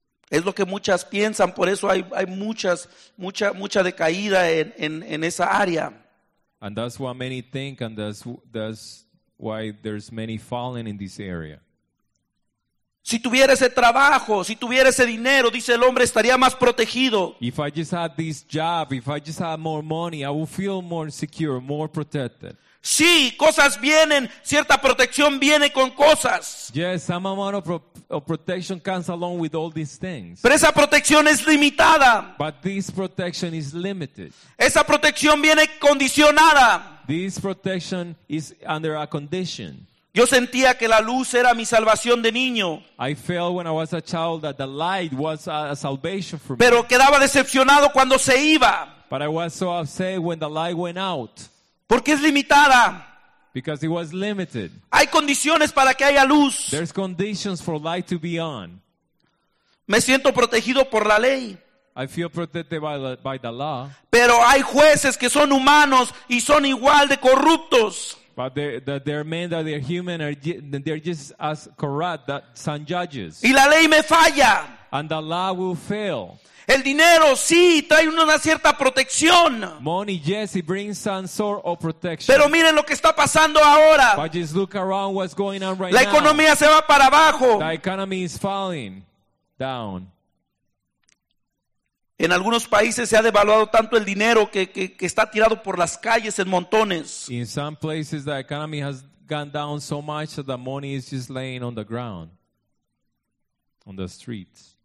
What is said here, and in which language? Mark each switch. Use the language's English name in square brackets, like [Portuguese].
[Spanish] Es lo que muchas piensan, por eso hay mucha decaída en esa área. [English] And that's what many think, and that's why there's many falling in this area. [Spanish] Si tuviera ese trabajo, si tuviera ese dinero, dice el hombre, estaría más protegido. [English] If I just had this job, if I just had more money, I would feel more secure, more protected. [Spanish] Sí, cosas vienen, cierta protección viene con cosas. [English] Yes, some amount of protection comes along with all these things. [Spanish] Pero esa protección es limitada. [English] But this protection is limited. [Spanish] Esa protección viene condicionada. [English] This protection is under a condition. [Spanish] Yo sentía que la luz era mi salvación de niño. [English] I felt when I was a child that the light was a salvation for me. [Spanish] Pero quedaba decepcionado cuando se iba. [English] But I was so upset when the light went out. [Spanish] Porque es limitada. [English] Because it was limited. [Spanish] Hay condiciones para que haya luz. [English] There's conditions for light to be on. [Spanish] Me siento protegido por la ley. [English] I feel protected by the law. [Spanish] Pero hay jueces que son humanos y son igual de corruptos. [English] But they're men that they're human and they're just as corrupt that some judges. [Spanish] Y la ley me falla. [English] And the law will fail. [Spanish] El dinero sí trae una cierta protección. [English] Money, yes, it brings some sort of protection. [Spanish] Pero miren lo que está pasando ahora. [English] But just look around what's going on right now. [Spanish] La economía se va para abajo. [English] The economy is falling down. [Spanish] En algunos países se ha devaluado tanto el dinero que está tirado por las calles en montones. [English] In some places the economy has gone down so much that the money is just laying on the ground, on the streets.